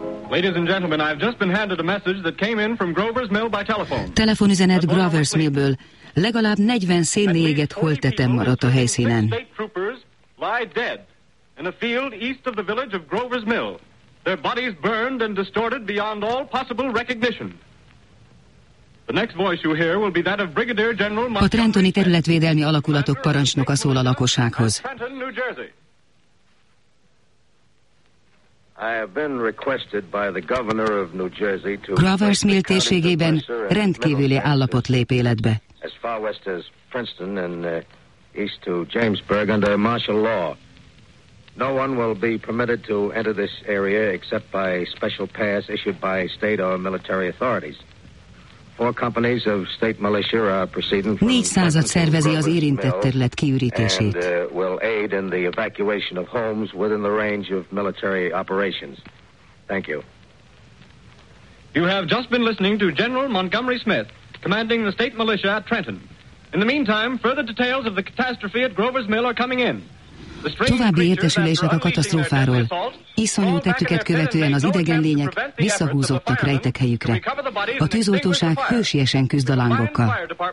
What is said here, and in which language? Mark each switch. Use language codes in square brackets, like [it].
[en] Ladies and gentlemen, I've just been handed a message that came in from Grover's Mill by telephone. [hu] Telefonüzenet Grover's Millből. Legalább 40 szénné égett holtetem maradt a helyszínen. [en] State troopers lie dead in a field east of the village of Grover's Mill. Their bodies burned and distorted beyond all possible recognition. The next voice you hear will be that of Brigadier General [hu] Montgomery. A Trentoni területvédelmi alakulatok parancsnoka szól a lakossághoz. [en] Trenton, New Jersey. I have been requested by the governor of New Jersey to. [hu] Grover's Mill térségében rendkívüli állapot lép életbe. [en] As far west as Princeton and east to Jamesburg under martial law. No one will be permitted to enter this area except by special pass issued by state or military authorities. Four companies of state militia are proceeding. [hu] 400 szervezi az érintett terület kiürítését. [en] And will aid in the evacuation of homes within the range of military operations. Thank you. You have just been listening to General Montgomery Smith, commanding the state militia at Trenton. In the meantime, further details of the catastrophe at Grover's Mill are coming in. [hu] További értesülések a katasztrófáról. Iszonyú tettüket követően az idegen lények visszahúzottak rejtek helyükre. A tűzoltóság hősiesen küzd a lángokkal.